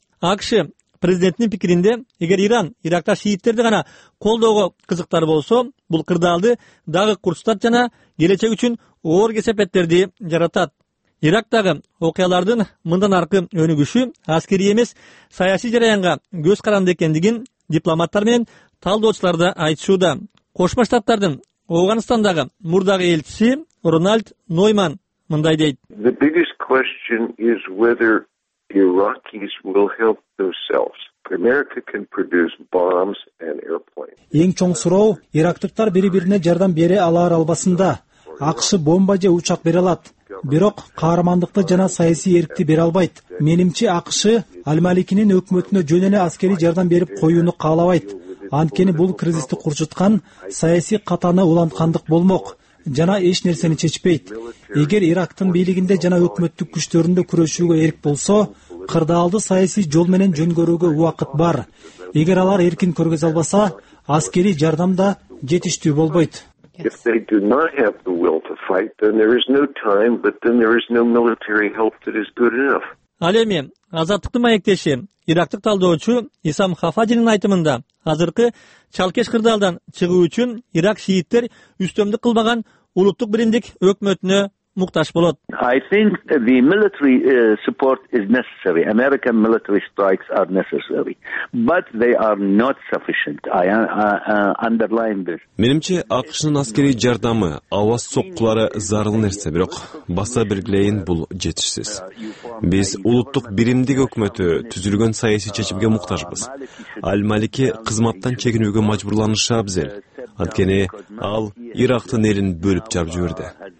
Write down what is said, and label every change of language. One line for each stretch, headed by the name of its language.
Kyrgyz: АКШ президентинин пикиринде, эгер Иран Иракта шииттерди гана колдоого кызыктар болсо, бул кырдаалды дагы курсутат жана келечек үчүн оор кесепеттерди жаратат. Ирактагы окуялардын мындан аркы өнүгүшү аскерий эмес саясий жараянга көз каранды экендигин дипломаттар менен талдоочулар да айтышууда. Кошмо Штаттардын Ооганстандагы мурдагы элчиси Рональд Нойман мындай дейт.
English: The biggest question is whether Iraqis will help themselves. America can produce bombs and airplanes.
Kyrgyz: Эң чоң суроо ирактыктар бири-бирине жардам бере алар албасында. АКШ бомба же учак бере алат. Бирок каармандыкты жана саясий эрикти бере албайт. Менимче АКШ Аль-Маликинин өкмөтүнө жөн эле аскерий жардам берип коюуну каалабайт. Анткени бул кризисти курчуткан саясий катаны уланткандык болмок жана эч нерсени чечпейт. Эгер Ирактын бийлигинде жана өкмөттүк күчтөрүндө күрөшүүгө эрик болсо, кырдаалды саясий жол менен жөнгөрүүгө убакыт бар. Эгер алар эркин көргөзө албаса, аскерий жардам да жетиштүү болбойт.
English: If they do not have the will to fight, then there is no time, but then there is no military help that is good enough.
Kyrgyz: Ал эми азаттыктын маектеши ирактык талдоочу Исам Хафаджинин айтымында азыркы чалкеш кырдаалдан чыгуу үчүн Ирак шииттер үстөмдүк кылбаган улуттук биримдик өкмөтүнө муктаж болот.
English: I think the military support is necessary. American military strikes are necessary. But they are not sufficient. I underline this.
Kyrgyz: Менимче АКШнын аскерий жардамы, аба соккулары зарыл нерсе, бирок баса белгилейин бул жетишсиз. Биз улуттук биримдик өкмөтү түзүлгөн саясий чечимге муктажбыз. Аль-Малики кызматтан чегинүүгө мажбурланышы абзел. Анткени ал Ирактын элин бөлүп жарып жиберди.